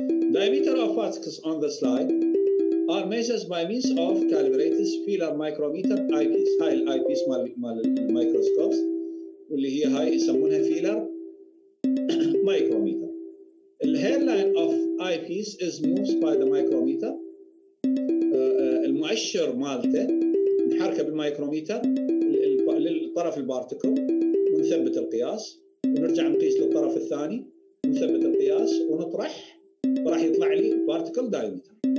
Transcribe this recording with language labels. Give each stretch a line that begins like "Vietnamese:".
English: diameter of patches on the slide are measures by means of calibrated filar micrometer eyepiece
Arabic: هاي الاي بيس مال المايكروسكوبس واللي هي هاي يسمونها فيلر مايكروميتر.
English: The hairline of eyepiece is moved by the micrometer.
Arabic: المؤشر مالته نحركه بالمايكروميتر للطرف البارتكل ونثبت القياس ونرجع نقيس للطرف الثاني ونثبت القياس ونطرح وراح يطلع لي particle diameter.